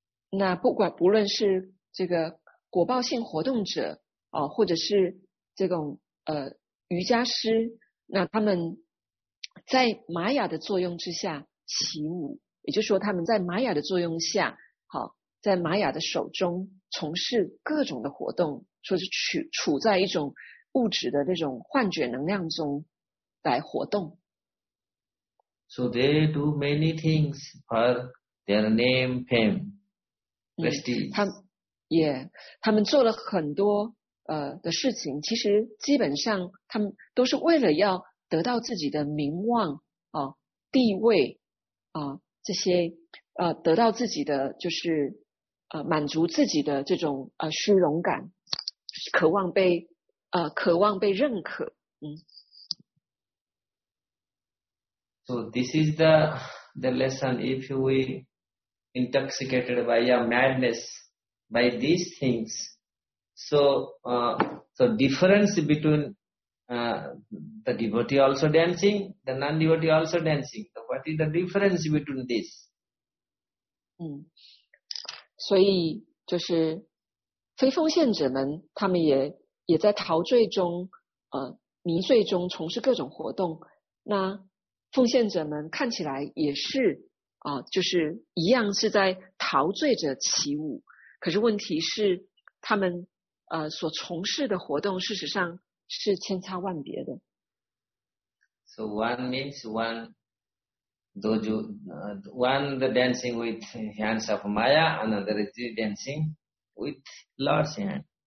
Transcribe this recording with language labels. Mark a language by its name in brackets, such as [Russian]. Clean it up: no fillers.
[Chinese] 那不管不论是这个果报性活动者或者是这种瑜伽师，那他们在玛雅的作用之下起舞，也就是说他们在玛雅的作用下在玛雅的手中从事各种的活动，说是处在一种物质的那种幻觉能量中来活动。 [English] So they do many things for their name, fame, prestige. [Chinese] 他们做了很多的事情，其实基本上他们都是为了要得到自己的名望地位这些得到自己的就是满足自己的这种虚荣感，渴望被认可。 [English] So this is the lesson. If we intoxicated by a madness by these things, so difference between the devotee also dancing, the non-devotee also dancing. So what is the difference between this? [Chinese] 所以就是非奉献者们，他们也在陶醉中迷醉中从事各种活动，那奉献者们看起来也是就是一样是在陶醉着起舞，可是问题是他们所从事的活动事实上是千差万别的。 [English] So one means one the dancing with hands of Maya, another is dancing with Lord's hand.